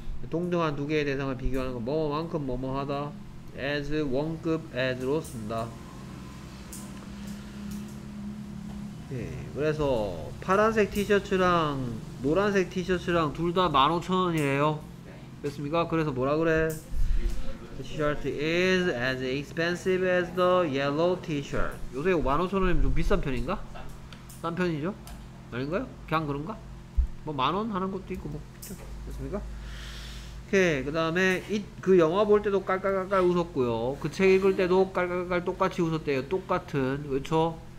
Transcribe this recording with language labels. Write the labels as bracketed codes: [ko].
[ko] 동등한 두 개의 대상을 비교하는 건 뭐만큼 뭐뭐하다 as 원급 as로 쓴다. 예, 그래서 파란색 티셔츠랑 노란색 티셔츠랑 둘 다 15,000원이에요. 그렇습니까? 그래서 뭐라 그래? [en] The shirt is as expensive as the yellow t-shirt. [ko] 요새 15,000원이면 좀 비싼 편인가? 싼 편이죠? 아닌가요? 그냥 그런가? 뭐 만원 하는 것도 있고 뭐 그렇습니까? 오케이. 그 다음에 그 영화 볼 때도 깔깔깔깔 웃었고요. 그 책 읽을 때도 깔깔깔 똑같이 웃었대요. 똑같은. 그렇죠?